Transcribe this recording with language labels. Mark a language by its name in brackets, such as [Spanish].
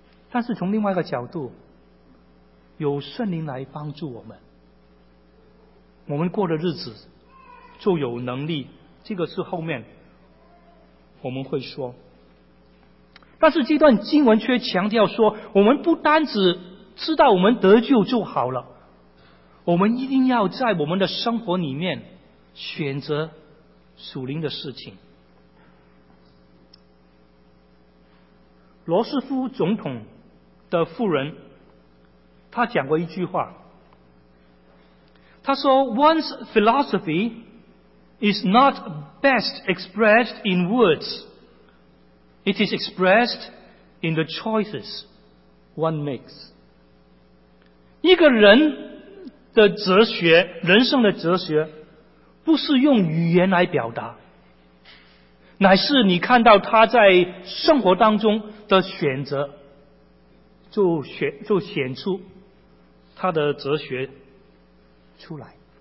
[Chinese] 但是从另外一个角度，有圣灵来帮助我们，我们过的日子就有能力，这个是后面我们会说。但是这段经文却强调说，我们不单只知道我们得救就好了，我们一定要在我们的生活里面选择属灵的事情。罗斯福总统的夫人，他讲过一句话，他说 [English] One's philosophy is not best expressed in words, it is expressed in the choices one makes. [Chinese] 一个人的哲学，人生的哲学，不是用语言来表达，乃是你看到他在生活当中的选择，就显出他的哲学出来。